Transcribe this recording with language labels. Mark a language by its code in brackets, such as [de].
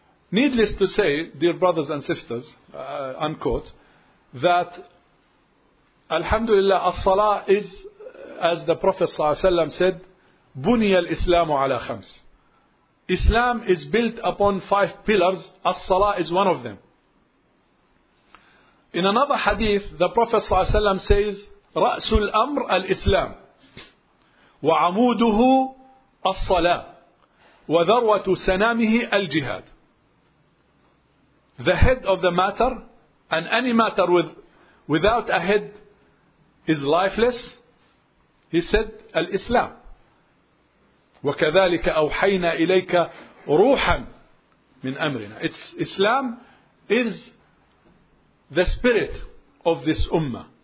[en] Needless to say, dear brothers and sisters, unquote, that alhamdulillah, as-salah is, as the Prophet ﷺ said, [ar] بُنِيَ الْإِسْلَامُ عَلَى خَمْسِ. [en] Islam is built upon five pillars. As-salah is one of them. In another hadith, the Prophet ﷺ says, [ar] رَأْسُ الْأَمْرِ الْإِسْلَامُ وَعَمُودُهُ الصَّلَاةُ وَذَرْوَةُ سَنَامِهِ الْجِهَادُ. [en] The head of the matter, and any matter without a head is lifeless. He said, Al-Islam. [ar] وَكَذَلِكَ أَوْحَيْنَا إِلَيْكَ رُوحًا مِنْ أَمْرِنَا. [en] It's, Islam is the spirit of this ummah.